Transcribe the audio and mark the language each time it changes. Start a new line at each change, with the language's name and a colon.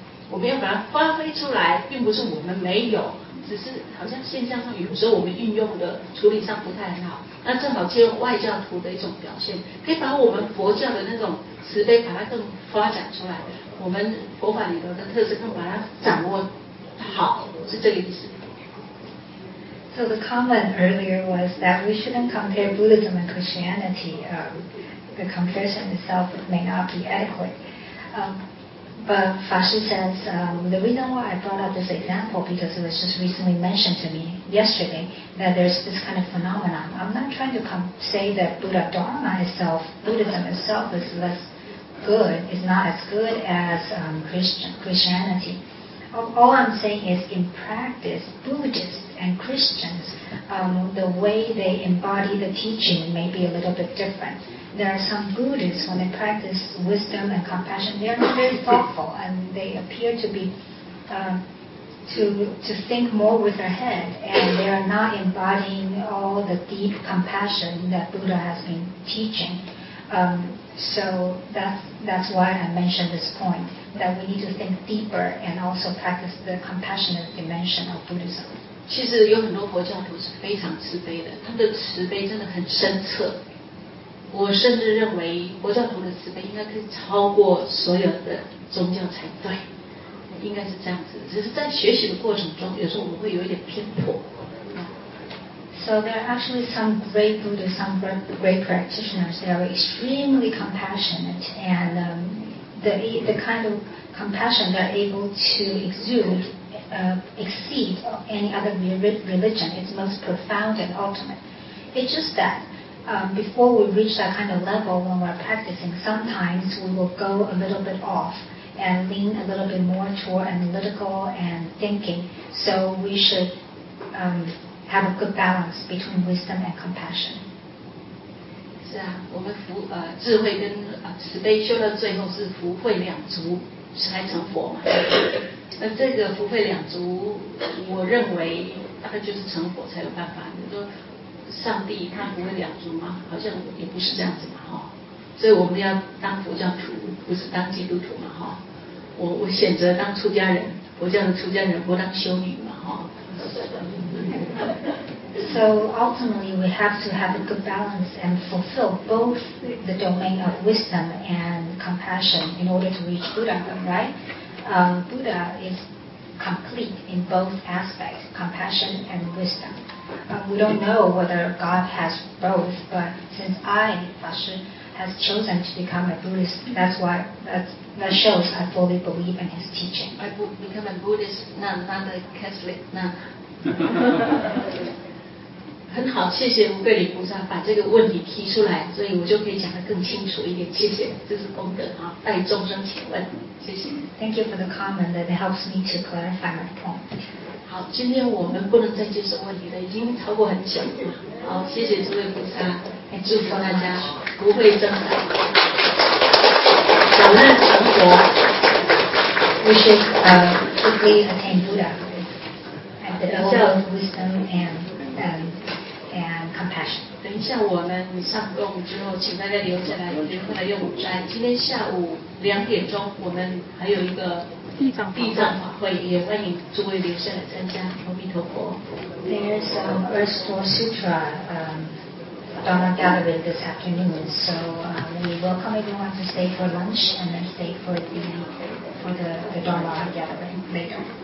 Chinese: 我们要把它发挥出来，并不是我们没有，只是好像现象上有时候我们运用的处理上不太很好，那正好借用外教徒的一种表现，可以把我们佛教的那种慈悲把它更发展出来，我们佛法里头的特色更把它掌握好，是这个意思。
English: So the comment earlier was that we shouldn't compare Buddhism and Christianity. The comparison itself may not be adequate. But Fa Shi says, the reason why I brought up this example, because it was just recently mentioned to me yesterday, that there's this kind of phenomenon. I'm not trying to say that Buddha Dharma itself, Buddhism itself is less good, is not as good as Christianity. All I'm saying is in practice, Buddhists,and Christians, the way they embody the teaching may be a little bit different. There are some Buddhists, when they practice wisdom and compassion, they are very thoughtful, and they appear to be, to think more with their head, and they are not embodying all the deep compassion that Buddha has been teaching. So that's why I mentioned this point, that we need to think deeper and also practice the compassionate dimension of Buddhism.
Chinese: 其实有很多佛教徒是非常慈悲的，他们的慈悲真的很深刻，我甚至认为佛教徒的慈悲应该可以超过所有的宗教才对，应该是这样子，只是在学习的过程中有时候我们会有一点偏颇。
English: So there are actually some great Buddhists, some great practitioners, they are extremely compassionate, and the kind of compassion they are able to exudeexceed any other religion. It's most profound and ultimate. It's just that before we reach that kind of level when we're practicing, sometimes we will go a little bit off and lean a little bit more toward analytical and thinking. So we should have a good balance between wisdom and compassion.
Chinese: 是啊，我们福智慧跟慈悲修到最后是福慧两足才成佛嘛。那这个福慧两足，我认为大概就是成佛才有办法。你说上帝他福慧两足吗？好像也不是这样子嘛，哈。所以我们要当佛教徒，不是当基督徒嘛，哈。我选择当出家人，佛教的出家人，不当修女嘛，哈。
English: So ultimately, we have to have a good balance and fulfill both the domain of wisdom and compassion in order to reach Buddha, right? Buddha is complete in both aspects, compassion and wisdom. We don't know whether God has both, but since I, Fa Shi, has chosen to become a Buddhist, that's why that shows I fully believe in his teaching. I become a Buddhist nun, not a Catholic nun.
Chinese: 很好，谢谢无贵礼菩萨把这个问题提出来，所以我就可以讲得更清楚一点。谢谢，这是功德啊，代众生请问。
English: Thank you for the comment that helps me to clarify my point.
Chinese: 好，今天我们不能再接受问题了，已经超过很久了。好，谢谢诸位菩萨，祝福大家福慧增长，早日成佛。
English: We should quickly attain Buddha and the all of wisdom and compassion.
Chinese: 等一下我们上供之后，请大家留下来，有空来用午餐。今天下午两点钟，我们还有一个地藏法会，也欢迎诸位留下来参加。阿弥陀佛。
English: There's a verse for sutra Dharma gallery this afternoon, so we welcome everyone to stay for lunch and then stay for the Dharma gallery later.